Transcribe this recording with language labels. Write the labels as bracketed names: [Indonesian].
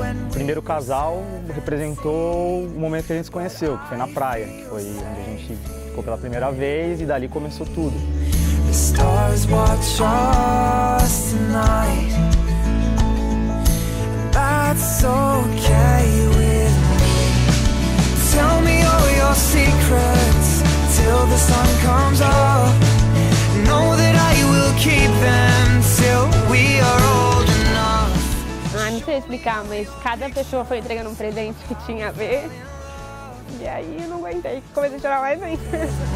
[Portuguese] O primeiro casal representou o momento que a gente se conheceu, que foi na praia, que foi onde a gente ficou pela primeira vez e dali começou tudo. [English] The stars watch us tonight. That's okay with me. Tell me all your secrets till the sun comes up. Know that I will keep them till we are old enough. [Portuguese] Ah, não sei explicar, mas cada pessoa foi entregando um presente que tinha a ver. E aí eu não aguentei, comecei a chorar mais ainda.